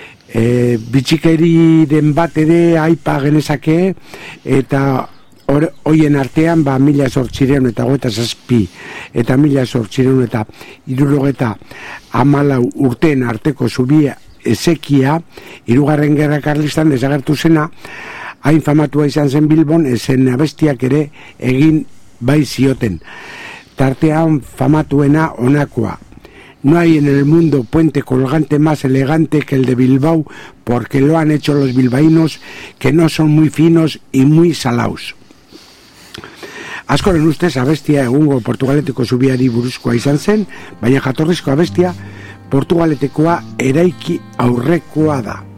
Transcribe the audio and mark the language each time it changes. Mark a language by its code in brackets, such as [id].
[eu] Bitxikeriren bat ere aipa genezake, eta hoien artean, ba, 1877 eta 1874 urteen arteko zubia ezekia, hirugarren Gerra Karlistan desagertu zena, hain famatua izan zen Bilbon, ezen abestiak ere egin bai zioten. Tartean famatuena honakoa: [es] no hay en el mundo puente colgante más elegante que el de Bilbao, porque lo han hecho los bilbaínos, que no son muy finos y muy salaos. [eu] Askoren ustez abestia egungo Portugaleteko zubiari buruzkoa izan zen, baina jatorrizko abestia Portugaletekoa eraiki aurrekoa da.